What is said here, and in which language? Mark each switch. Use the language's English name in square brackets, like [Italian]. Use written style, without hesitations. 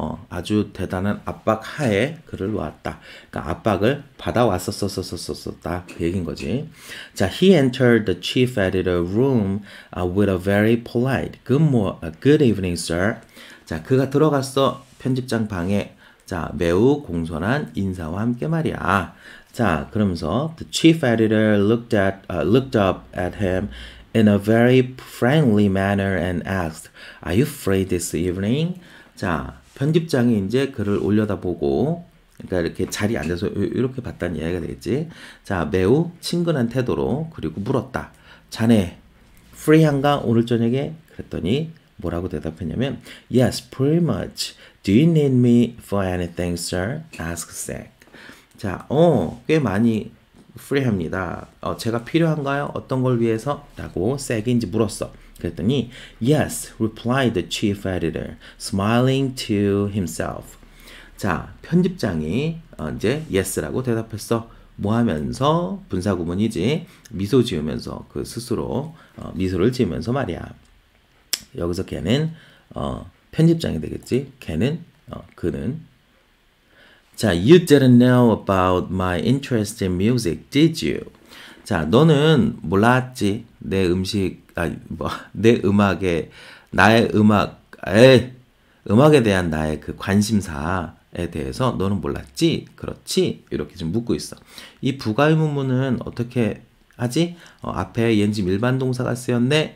[Korean] 아주 대단한 압박 하에 그를 놓았다. 그러니까 압박을 받아왔었었었었었다. 그 얘긴 거지. [English] 자, he entered the chief editor room with a very polite good evening, sir. [Korean] 자, 그가 들어갔어. 편집장 방에. 자, 매우 공손한 인사와 함께 말이야. [English] 자, 그러면서 the chief editor looked up at him in a very friendly manner and asked, "Are you free this evening?" [Korean] 자, 편집장이 이제 글을 올려다보고, 그러니까 이렇게 자리에 앉아서 이렇게 봤다는 이야기가 되겠지. 자, 매우 친근한 태도로 그리고 물었다. 자네, 프리한가 오늘 저녁에? 그랬더니 뭐라고 대답했냐면, [English] Yes, pretty much. Do you need me for anything, sir? Asked Zack. [Korean] 자, 꽤 많이 프리합니다. 제가 필요한가요? 어떤 걸 위해서? 라고 Zack인지 물었어. [English] 그랬더니, Yes, replied the chief editor, smiling to himself. [Korean] 자, 편집장이 이제 Yes라고 대답했어. 뭐 하면서? 분사구문이지. 미소 지으면서, 그 스스로 미소를 지으면서 말이야. 여기서 걔는 편집장이 되겠지. 걔는, 그는. [English] 자, You didn't know about my interest in music, did you? [Korean] 자, 너는 몰랐지. 내 음악에 나의 음악에 대한 나의 그 관심사에 대해서 너는 몰랐지? 그렇지? 이렇게 지금 묻고 있어. 이 부가 의문문은 어떻게 하지? 앞에 옌집 일반 동사가 쓰였네.